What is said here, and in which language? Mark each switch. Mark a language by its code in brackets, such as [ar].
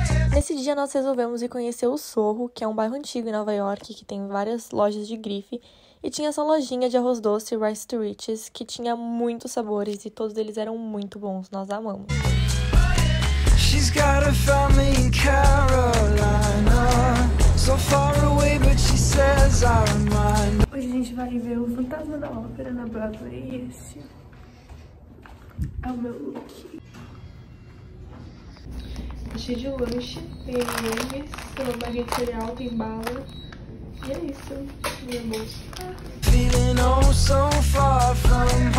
[pt] Nesse dia nós resolvemos ir conhecer o Soho, que é um bairro antigo em Nova York, que tem várias lojas de grife. E tinha essa lojinha de arroz doce, Rice to Riches, que tinha muitos sabores e todos eles eram muito bons. Nós amamos. [en] She's got a family in Carolina, so far away, but she says I'm mine. [pt] Hoje a gente vai ver o Fantasma da Ópera na Broadway e esse é o meu look. Cheio de lanche, tem memes, tem uma barriga cereal, tem bala. E é isso, minha bolsa. [en] Feeling oh so far from